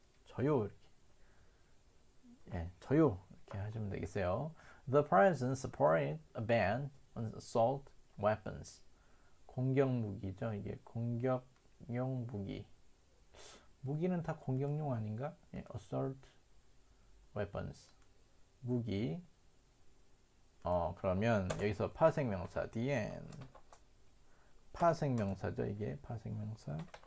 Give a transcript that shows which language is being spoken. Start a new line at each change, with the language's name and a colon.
Korean: 저요 이렇게. 예, 저요 이렇게 하시면 되겠어요.
English: The president supported a ban on assault weapons.
Korean: 공격 무기죠. 이게 공격용 무기. 무기는 다 공격용 아닌가? 예, assault weapons. 무기. 그러면 여기서 파생명사 the end. 파생명사죠. 이게 파생명사.